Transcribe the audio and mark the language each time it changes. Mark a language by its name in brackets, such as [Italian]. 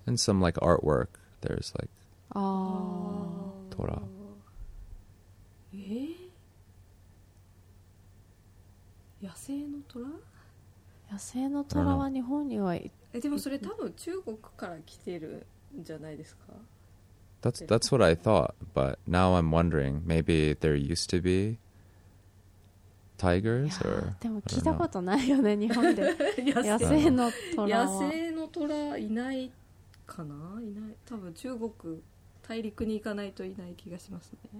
[English] In some like artwork, there's like Tora. Eh? [Japanese] 野生のトラ? 野生のトラは日本にはえ、でもそれ多分中国から来てるんじゃないですか? [English] That's what I thought, but now I'm wondering, maybe there used to be tigers or... [Japanese] でも聞いたことないよね、日本で。野生のトラは。野生のトラいないかな?いない。多分中国、大陸に行かないといない気がしますね。